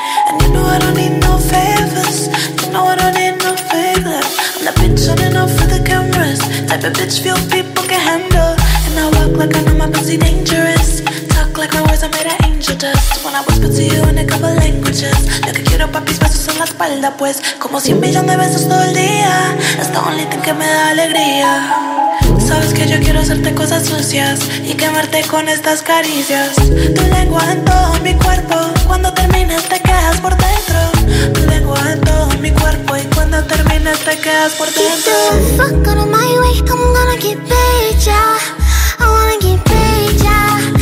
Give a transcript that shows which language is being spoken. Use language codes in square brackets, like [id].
[en] And you know I don't need no favors. You know I don't need no favors. I'm that bitch on and off for the cameras. Type of bitch few people can handle. And I walk like I know my pussy dangerous. Talk like my words are made of angel dust. When I whisper to you in a couple languages. [es] Lo que quiero pa' mis besos en la espalda pues. Como 100 millones de besos todo el día. [en] That's the only thing [es] que me da alegría. Sabes que yo quiero hacerte cosas sucias y quemarte con estas caricias. Tu lengua en todo mi cuerpo, cuando termines te quedas por dentro. Tu lengua en todo mi cuerpo y cuando termines te quedas por dentro. [en] Get the fuck out of my way, I'm gonna get paid, yeah. I wanna get paid, yeah.